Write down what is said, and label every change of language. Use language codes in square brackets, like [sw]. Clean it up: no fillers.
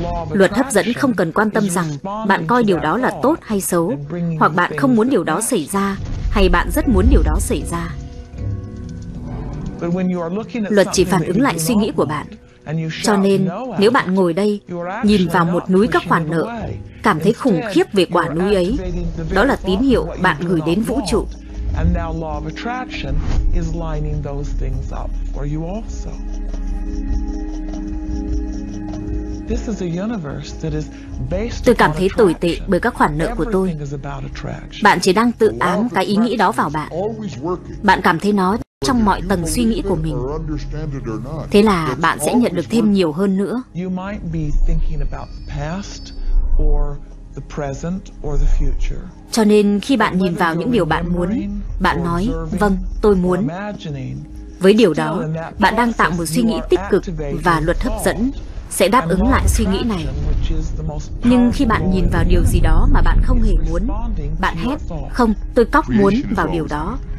[vi] Luật hấp dẫn không cần quan tâm rằng bạn coi điều đó là tốt hay xấu, hoặc bạn không muốn điều đó xảy ra, hay bạn rất muốn điều đó xảy ra. Luật chỉ phản ứng lại suy nghĩ của bạn. Cho nên, nếu bạn ngồi đây, nhìn vào một núi các khoản nợ, cảm thấy khủng khiếp về quả núi ấy, đó là tín hiệu bạn gửi đến vũ trụ. [en] And now law of attraction is lining those things up for you also. This is a universe that is based. [vi] Tôi cảm thấy tồi tệ bởi các khoản nợ của tôi. Bạn chỉ đang tự ám cái ý nghĩ đó vào bạn. Bạn cảm thấy nó trong mọi tầng suy nghĩ của mình. Thế là bạn sẽ nhận được thêm nhiều hơn nữa. [en] You might be thinking about the past or the present or the future. [vi] Cho nên khi bạn nhìn vào những điều bạn muốn, bạn nói, vâng, tôi muốn. Với điều đó, bạn đang tạo một suy nghĩ tích cực và luật hấp dẫn sẽ đáp ứng lại suy nghĩ này. Nhưng khi bạn nhìn vào điều gì đó mà bạn không hề muốn, bạn hét, không, tôi cóc muốn vào điều đó.